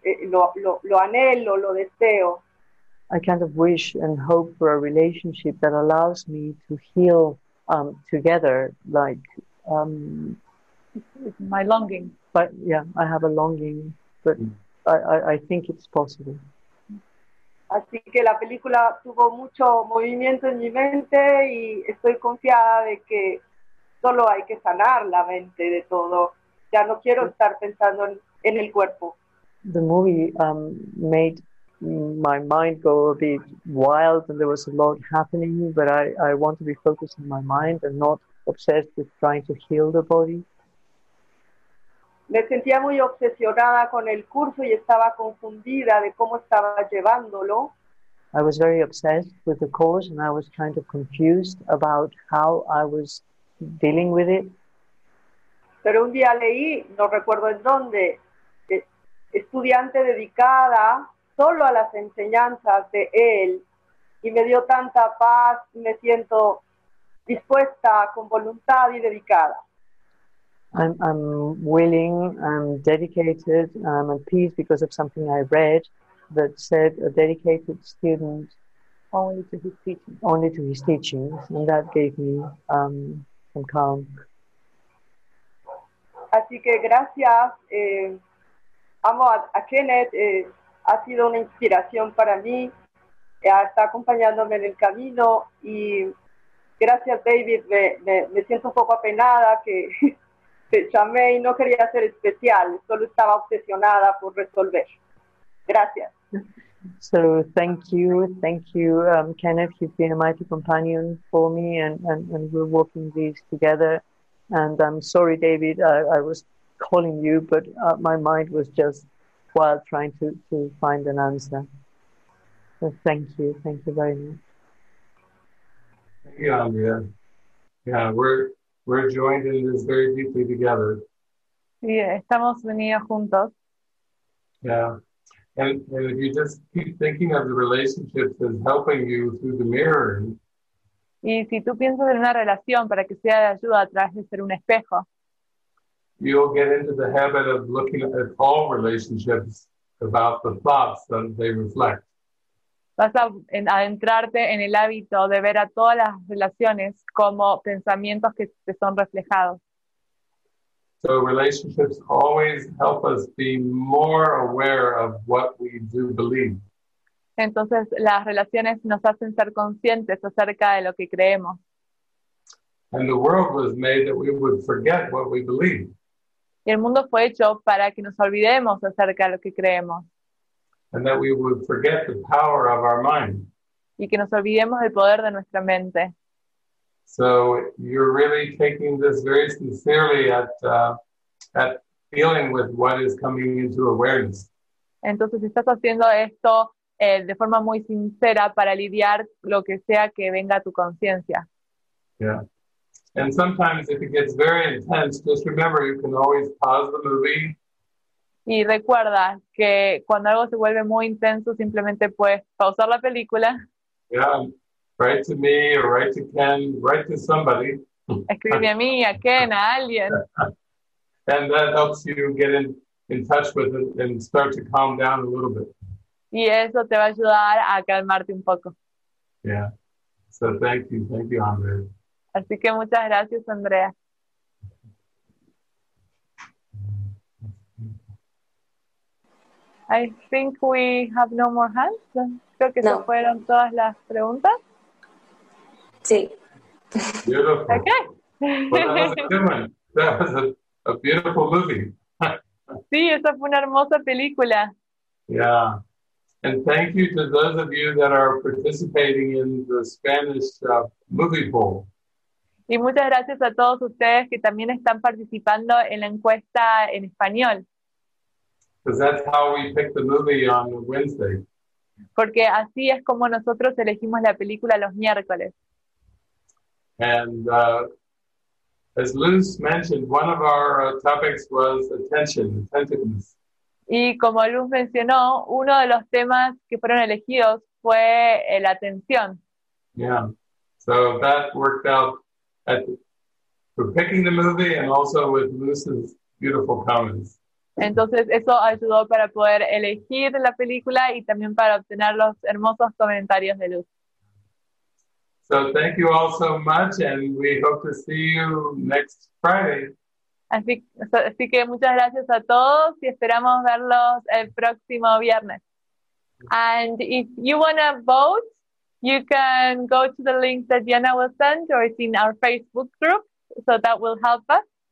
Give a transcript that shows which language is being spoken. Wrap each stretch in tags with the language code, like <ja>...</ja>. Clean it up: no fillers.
<es>Lo anhelo, lo deseo.</es> <en>I kind of wish and hope for a relationship that allows me to heal together, like it's my longing. But yeah, I have a longing, but I think it's possible.</en> <es>Así que la película tuvo mucho movimiento en mi mente y estoy confiada de que solo hay que sanar la mente de todo. Ya no quiero estar pensando en el cuerpo.</es> <en>The movie made my mind go a bit wild and there was a lot happening, but I want to be focused on my mind and not obsessed with trying to heal the body.</en> <es>Me sentía muy obsesionada con el curso y estaba confundida de cómo estaba llevándolo.</es> <en>I was very obsessed with the course and I was kind of confused about how I was dealing with it.</en> <es>Pero un día leí, no recuerdo en dónde, estudiante dedicada solo a las enseñanzas de él y me dio tanta paz, me siento dispuesta con voluntad y dedicada.</es> <en>I'm willing, I'm dedicated, I'm at peace because of something I read that said a dedicated student only to his teachings. Only to his teachings, and that gave me some calm.</en> <es>Así que gracias. Amo a Kenneth. Ha sido una inspiración para mí. Está acompañándome en el camino. Y gracias, David. Me siento un poco apenada que... Te llamé y no quería ser especial, solo estaba obsesionada por resolver. Gracias.</es> <en>So, thank you, Kenneth, you've been a mighty companion for me and we're working these together. And I'm sorry, David, I was calling you, but my mind was just wild trying to find an answer. So thank you very much. Thank you, Andrea. Yeah, We're joined in this very deeply together.</en> <es>Yeah, estamos unidos juntos. Yeah,</es> <en>And if you just keep thinking of the relationships as helping you through the mirror.</en> <es>Y si tú piensas en una relación para que sea de ayuda a través de ser un espejo.</es> <en>You'll get into the habit of looking at all relationships about the thoughts that they reflect.</en> <es>Vas a adentrarte en el hábito de ver a todas las relaciones como pensamientos que te son reflejados.</es> <en>So relationships always help us be more aware of what we do believe.</en> <es>Entonces las relaciones nos hacen ser conscientes acerca de lo que creemos.</es> <en>And the world was made that we would forget what we believe.</en> <es>Y el mundo fue hecho para que nos olvidemos acerca de lo que creemos.</es> <en>And that we would forget the power of our mind.</en> <es>Y que nos olvidemos del poder de nuestra mente.</es> <en>So you're really taking this very sincerely at dealing with what is coming into awareness.</en> <es>Entonces estás haciendo esto de forma muy sincera para lidiar lo que sea que venga a tu conciencia.</es> <en>Yeah. And sometimes if it gets very intense, just remember you can always pause the movie.</en> <es>Y recuerda que cuando algo se vuelve muy intenso, simplemente puedes pausar la película.</es> <en>Yeah, write to me or write to Ken, write to somebody.</en> <es>Escribe a mí, a Ken, a alguien.</es> <en>And that helps you get in touch with it and start to calm down a little bit.</en> <es>Y eso te va a ayudar a calmarte un poco.</es> <en>Yeah, so thank you, Andrea.</en> <es>Así que muchas gracias, Andrea.</es> <en>I think we have no more hands.</en> <es>Creo que no. Se fueron todas las preguntas. Sí.</es> <en>Beautiful. Okay. Well, that was a beautiful movie.</en> <es>Sí, esa fue una hermosa película.</es> <en>Yeah. And thank you to those of you that are participating in the Spanish movie poll.</en> <es>Y muchas gracias a todos ustedes que también están participando en la encuesta en español.</es> <en>Because that's how we pick the movie on Wednesday.</en> <es>Porque así es como nosotros elegimos la película los miércoles.</es> <en>And as Luz mentioned, one of our topics was attention, attentiveness.</en> <es>Y como Luz mencionó, uno de los temas que fueron elegidos fue la atención.</es> <en>Yeah, so that worked out for picking the movie and also with Luz's beautiful comments.</en> <es>Entonces eso ayudó para poder elegir la película y también para obtener los hermosos comentarios de Luz.</es> <en>So thank you all so much and we hope to see you next Friday.</en> <es>Así que muchas gracias a todos y esperamos verlos el próximo viernes.</es> <en>And if you want to vote, you can go to the link that Diana will send or it's in our Facebook group, so that will help us.</en>